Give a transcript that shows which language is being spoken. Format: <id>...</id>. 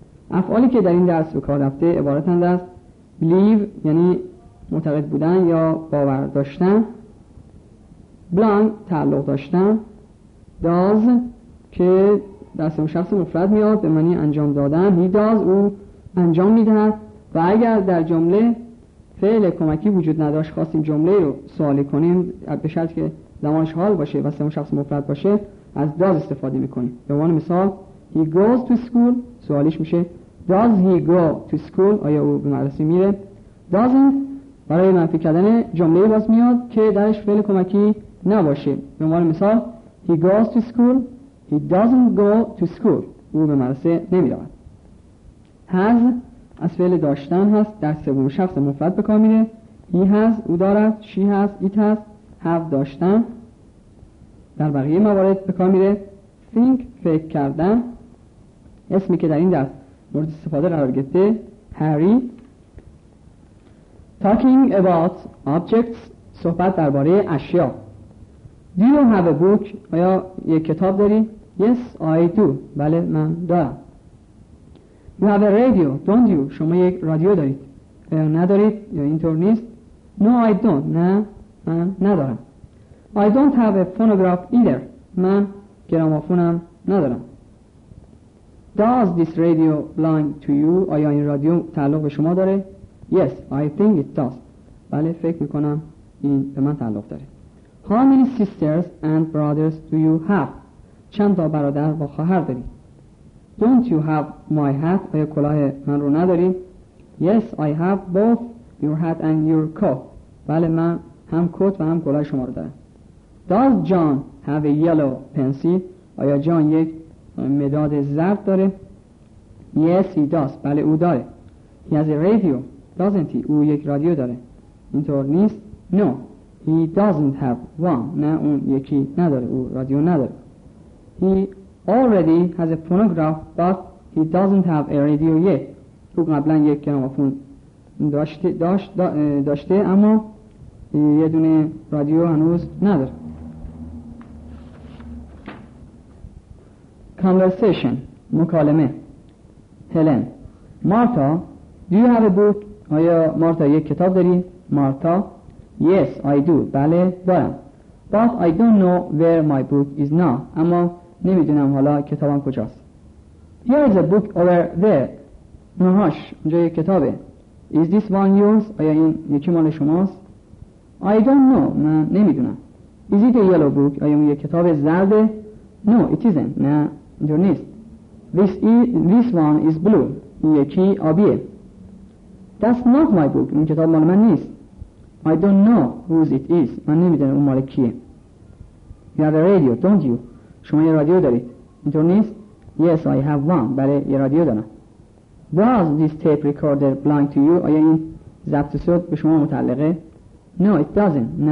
<fa>افعالی که در این درس به کار رفته عبارتند از believe یعنی معتقد بودن یا باور داشتن، blank تعلق داشتن، does که دست شخص مفرد میاد به معنی انجام دادن،</fa> <en>he does</en> <fa>او انجام میدهد، و اگر در جمله فعل کمکی وجود نداشت خواستیم جمله رو سوالی کنیم به شرط که زمانش حال باشه و سوم شخص مفرد باشه از does استفاده میکنیم. به عنوان مثال</fa> <en>he goes to school،</en> <fa>سوالیش میشه</fa> <en>does he go to school،</en> <fa>آیا او به مدرسه میره. doesn't برای منفی کردن جمله باز میاد که درش فعل کمکی نباشه. به عنوان مثال</fa> <en>he goes to school، he doesn't go to school،</en> <fa>او به مدرسه نمیرود. has از فعل داشتن هست، در سوم شخص مفرد به کار میره.</fa> <en>he has</en> <fa>او دارد،</fa> <en>she has it has،</en> <fa>have داشتن در بقیه موارد به کار میره. think فکر کردن، اسمی که در این درس مورد استفاده قرار گرفته هری.</fa> <en>talking about objects</en> <fa>صحبت درباره اشیا.</fa> <en>do you have a book،</en> <fa>آیا یک کتاب داری؟</fa> <en>yes I do،</en> <fa>بله من دارم.</fa> <en>you have a radio don't you،</en> <fa>شما یک رادیو دارید یا ندارید یا اینطور نیست.</fa> <en>no I don't،</en> <fa>نه من ندارم.</fa> <en>I don't have a phonograph either،</en> <fa>من گرامافونم ندارم.</fa> <en>does this radio belong to you،</en> <fa>آیا این رادیو تعلق به شما داره؟</fa> <en>yes I think it does،</en> <fa>بله فکر میکنم این به من تعلق داره.</fa> <en>how many sisters and brothers do you have،</en> <fa>چند تا برادر و خواهر داری؟</fa> <en>don't you have my hat،</en> <fa>آیا کلاه من رو نداری؟</fa> <en>yes I have both your hat and your coat،</en> <fa>بله من هم کت و هم کلاه شما رو دارم.</fa> <en>does John have a yellow pencil،</en> <fa>آیا جان یک مداد زرد داره؟</fa> <en>yes he does،</en> <fa>بله او داره.</fa> <en>he has a radio doesn't he،</en> <fa>او یک رادیو داره، اینطور نیست.</fa> <en>no he doesn't have one،</en> <fa>نه اون یکی نداره، او رادیو نداره.</fa> <en>he already has a phonograph but he doesn't have a radio yet،</en> <fa>او قبلا یک گرامافون داشته اما یه دونه رادیو هنوز نداره. conversation مکالمه. هلن.</fa> <en>Martha do you have a book،</en> <fa>آیا مارتا یک کتاب داری؟</fa> <en>Martha yes I do،</en> <fa>بله دارم.</fa> <en>but I don't know where my book is now،</en> <fa>اما نمیدونم حالا کتابم کجاست.</fa> <en>here is a book over there،</en> <fa>نهاش اونجا یک کتابه.</fa> <en>Is this one yours?</en> <fa>آیا این یکی مال شماست؟</fa> <en>I don't know.</en> <fa>نه نمیدونم.</fa> <en>Is it a yellow book?</en> <fa>آیا اون یک کتاب زرده؟</fa> <en>No, it isn't.</en> <fa>نه اینجور نیست.</fa> <en>This one is blue.</en> <fa>این یکی آبیه.</fa> <en>That's not my book.</en> <fa>این کتاب مال من نیست.</fa> <en>I don't know whose it is.</en> <fa>من نمیدونم اون مال کیه.</fa> <en>You have a radio, don't you?</en> <fa>شما یه رادیو دارید. اینجور نیست؟</fa> <en>Yes, I have one.</en> <fa>بله یه رادیو دارم.</fa> <en>Was this tape recorder belong to you?</en> <fa>آیا این ضبط صوت به شما متعلقه؟</fa> <en>No, it doesn't.</en>